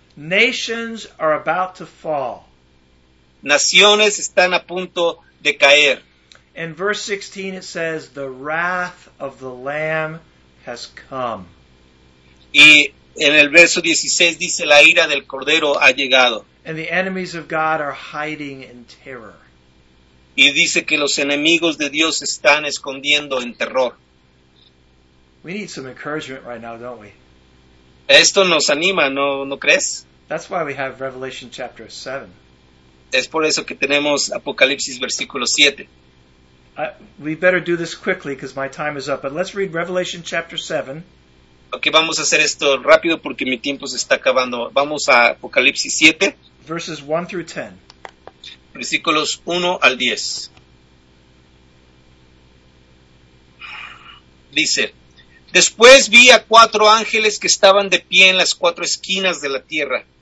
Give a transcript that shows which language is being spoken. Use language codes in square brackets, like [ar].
[en] Nations are about to fall. [es] Naciones están a punto de caer. [en] In verse 16 it says, the wrath of the Lamb has come. [es] Y en el verso 16 dice, la ira del Cordero ha llegado. [en] And the enemies of God are hiding in terror. [es] Y dice que los enemigos de Dios están escondiendo en terror. [en] We need some encouragement right now, don't we? [es] Esto nos anima, ¿no crees? [en] That's why we have Revelation chapter 7. [es] Es por eso que tenemos Apocalipsis versículo 7. [en] We better do this quickly because my time is up, but let's read Revelation chapter 7. [es] Okay, vamos a hacer esto rápido porque mi tiempo se está acabando. Vamos a Apocalipsis 7. [en] Verses 1 through 10. [es] Versículos 1 al 10. Dice, después vi a cuatro ángeles que estaban de pie en las cuatro esquinas de la tierra,